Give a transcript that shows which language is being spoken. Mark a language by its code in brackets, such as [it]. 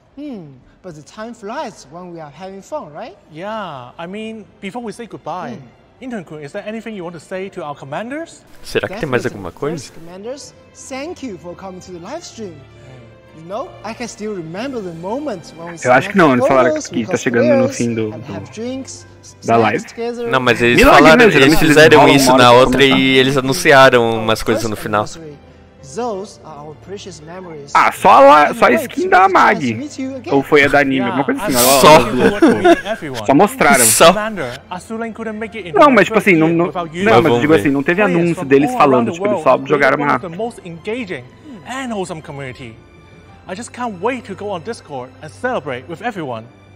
[en] But the time flies when we are having fun, right? Yeah, I mean, before we say goodbye, Intern-kun, is there anything you want to say to our commanders? [pt] Será que tem mais alguma coisa? [en] First, commanders, thank you for coming to the live stream. You know, I can still remember the moment when we saw the photos, [pt] falaram que está chegando no fim do drinks, da live. [en] Together. [pt] Não, mas eles falaram, eles fizeram isso na outra e eles anunciaram umas coisas no final. [en] Those are our precious memories. [pt] Ah, só a skin da Mag. Ou foi a da Anime, alguma coisa assim. Só. Só mostraram. Só. Não, mas tipo assim, não, mas digo assim, não teve anúncio deles falando, tipo, eles só jogaram uma. [en] And awesome community. I just can't wait to go on Discord and celebrate with everyone.